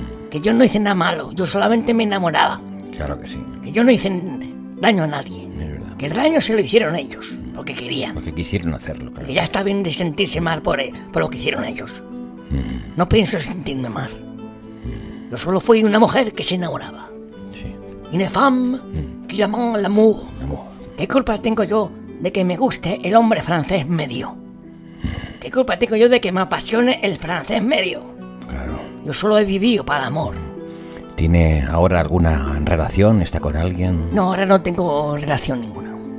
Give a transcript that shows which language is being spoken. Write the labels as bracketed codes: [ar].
[es] Que yo no hice nada malo, yo solamente me enamoraba. Claro que sí. Que yo no hice daño a nadie. Es verdad. Que el daño se lo hicieron ellos, porque querían. Porque quisieron hacerlo, claro. Que ya está bien de sentirse mal por lo que hicieron ellos. No pienso sentirme mal. Yo solo fui una mujer que se enamoraba. Sí. [fr] Une femme qui aime l'amour. [es] ¿Qué culpa tengo yo de que me guste el hombre francés medio? ¿Qué culpa tengo yo de que me apasione el francés medio? Claro. Yo solo he vivido para el amor. ¿Tiene ahora alguna relación? ¿Está con alguien? No, ahora no tengo relación ninguna.